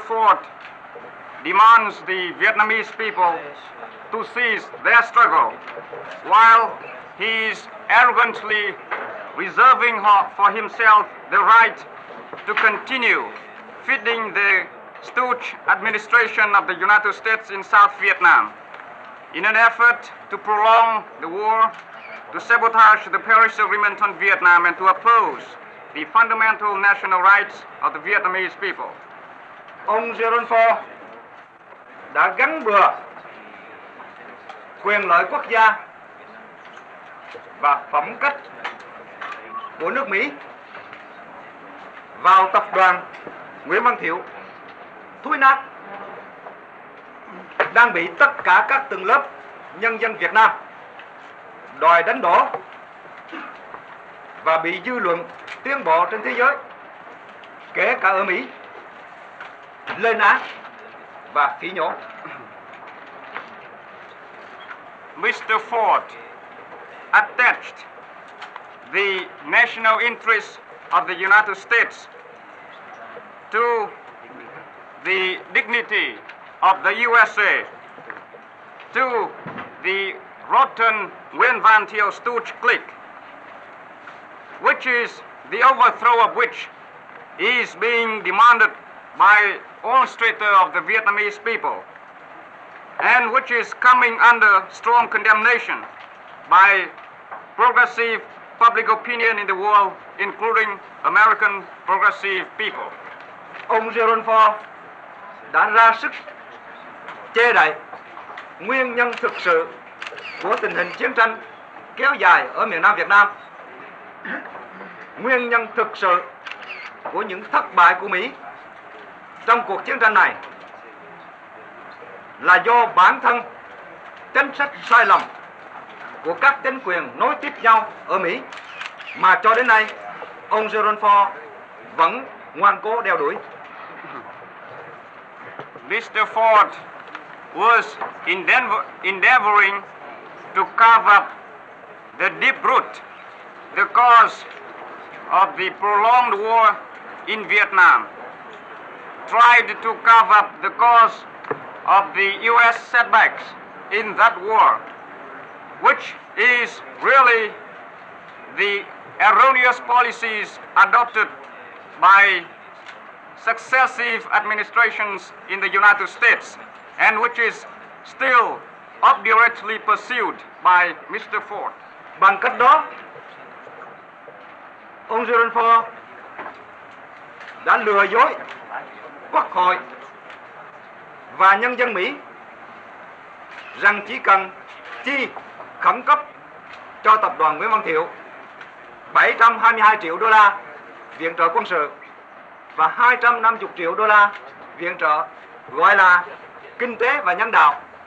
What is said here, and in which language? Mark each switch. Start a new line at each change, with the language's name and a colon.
English: Ford demands the Vietnamese people to cease their struggle, while he is arrogantly reserving for himself the right to continue feeding the stooge administration of the United States in South Vietnam in an effort to prolong the war, to sabotage the Paris Agreement on Vietnam, and to oppose the fundamental national rights of the Vietnamese people.
Vietnamese: Ông Gerald Ford đã gắn bừa quyền lợi quốc gia và phẩm cách của nước Mỹ vào tập đoàn Nguyễn Văn Thiệu, thúi nát, đang bị tất cả các tầng lớp nhân dân Việt Nam đòi đánh đổ và bị dư luận tiến bộ trên thế giới, kể cả ở Mỹ, lên án và phỉ nhổ.
English: Mr. Ford attached the national interest of the United States to the dignity of the USA, to the rotten Nguyễn Văn Thiệu stooge clique, which is the overthrow of which is being demanded by all strata of the Vietnamese people, and which is coming under strong condemnation by progressive public opinion in the world, including American progressive people.
Vietnamese: Ông Gerald Ford đã ra sức che đậy nguyên nhân thực sự của tình hình chiến tranh kéo dài ở miền Nam Việt Nam, nguyên nhân thực sự của những thất bại của Mỹ trong cuộc chiến tranh này là do bản thân chính sách sai lầm của các chính quyền nối tiếp nhau ở Mỹ mà cho đến nay ông Gerald Ford vẫn ngoan cố đeo đuổi.
English: Mr. Ford was endeavoring to cover up the deep root, the cause of the prolonged war in Vietnam tried to cover up the cause of the U.S. setbacks in that war, which is really the erroneous policies adopted by successive administrations in the United States, and which is still obdurately pursued by Mr. Ford.
Vietnamese: Bằng cách đó, ông Gerald Ford đã lừa dối Quốc hội và nhân dân Mỹ rằng chỉ cần chi khẩn cấp cho tập đoàn Nguyễn Văn Thiệu 722 triệu đô la viện trợ quân sự và 250 triệu đô la viện trợ gọi là kinh tế và nhân đạo,